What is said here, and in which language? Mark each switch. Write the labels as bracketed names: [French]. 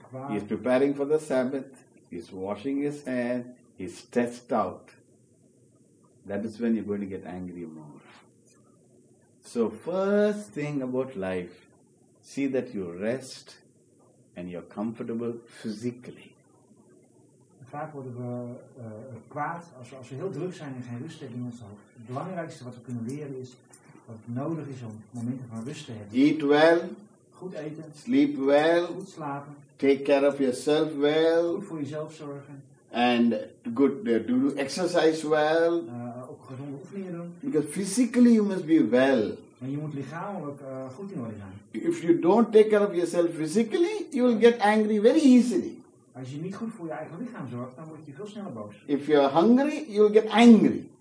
[English] He's preparing for the Sabbath. He's washing his hair. He's stressed out. That is when you're going to get angry more. So first thing about life, see that you rest and you're comfortable physically. [Dutch] Vaak worden we kwaad als we heel druk zijn en geen rust hebben in ons hoofd. Het belangrijkste wat we kunnen leren is wat nodig is om momenten van rust te hebben. [English] Eat well. [Dutch] Goed eten. [English] Sleep well. [Dutch] Goed slapen. [English] Take care of yourself well. [Dutch] Goed voor jezelf zorgen. [English] And good, do exercise well. [Dutch] Ook gezonde oefeningen doen. [English] Because physically you must be well. [Dutch] En je moet lichamelijk goed in orde zijn. [English] If you don't take care of yourself physically, you will get angry very easily. [Dutch] Als je niet goed voor je eigen lichaam zorgt, dan word je veel sneller boos. [English] If you are hungry, you will get angry.